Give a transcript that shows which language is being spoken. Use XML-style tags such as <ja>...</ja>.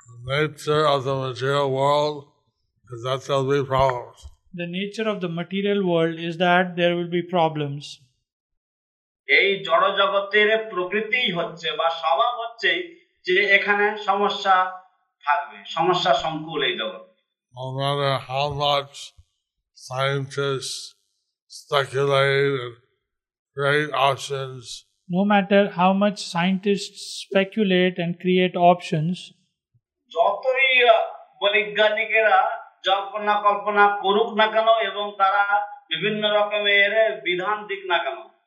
<en>The nature of the material world is that there will be problems. The nature of the material world is that there will be problems.</en> <bn>এই জড় জগতের প্রকৃতিই হচ্ছে বা স্বভাব হচ্ছে যে এখানে সমস্যা থাকবে, সমস্যা সংকুল এই জগৎ।</bn> <en>No matter how much scientists speculate and create options, no matter how much scientists speculate and create options,</en> <bn>যতই বৈজ্ঞানিকেরা জল্পনা কল্পনা করুক না কেন এবং তারা বিভিন্ন রকমের বিধান দিক না কেন</bn>